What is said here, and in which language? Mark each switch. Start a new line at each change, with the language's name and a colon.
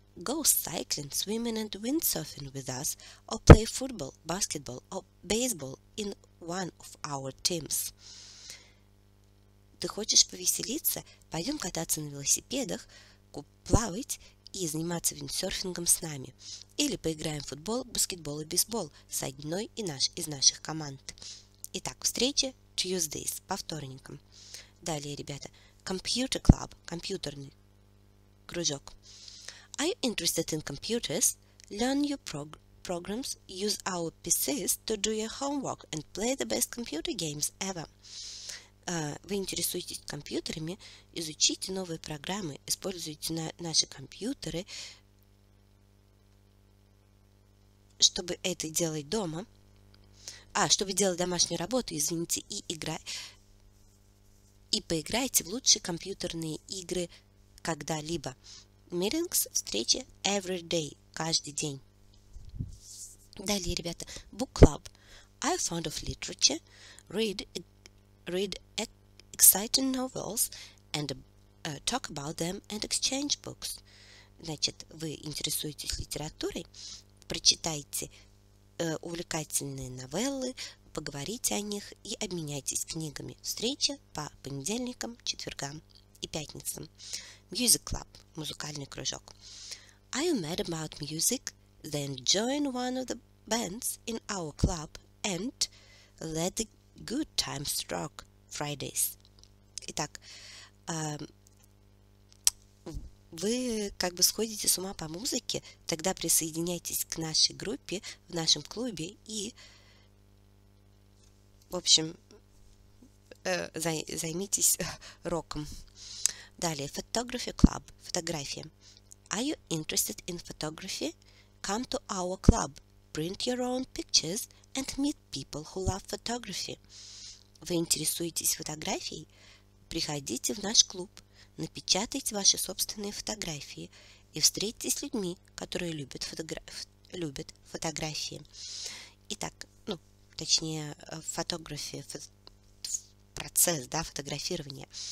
English: Go cycling, swimming and windsurfing with us or play football, basketball or baseball in one of our teams.
Russian: Ты хочешь повеселиться? Пойдем кататься на велосипедах, плавать и заниматься виндсерфингом с нами. Или поиграем в футбол, баскетбол и бейсбол с одной из наших команд. Итак, встреча Tuesdays, по вторникам. Далее, ребята,
English: Computer Club,
Russian: компьютерный кружок.
English: Are you interested in computers? Learn new programs, use our PCs to do your homework and play the best computer games ever.
Russian: Вы интересуетесь компьютерами, изучите новые программы, используйте наши компьютеры, чтобы это делать дома. Чтобы делать домашнюю работу, извините, и поиграйте в лучшие компьютерные игры когда-либо.
English: Meetings,
Russian: встречи,
English: every day,
Russian: каждый день. Далее, ребята,
English: book club. I am fond of literature, read exciting novels, and talk about them and exchange books.
Russian: Значит, вы интересуетесь литературой, прочитайте увлекательные новеллы, поговорите о них и обменяйтесь книгами. Встреча по понедельникам, четвергам и пятницам.
English: Music club –
Russian: музыкальный кружок.
English: Are you mad about music? Then join one of the bands in our club and let the good times rock Fridays.
Russian: Итак, вы как бы сходите с ума по музыке, тогда присоединяйтесь к нашей группе в нашем клубе и, в общем, займитесь роком. Далее,
English: photography club,
Russian: фотография.
English: Are you interested in photography? Come to our club, print your own pictures and meet people who love photography.
Russian: Вы интересуетесь фотографией? Приходите в наш клуб. Напечатайте ваши собственные фотографии и встретитесь с людьми, которые любят, любят фотографии. Итак, ну, точнее, фотография, процесс, да, фотографирования.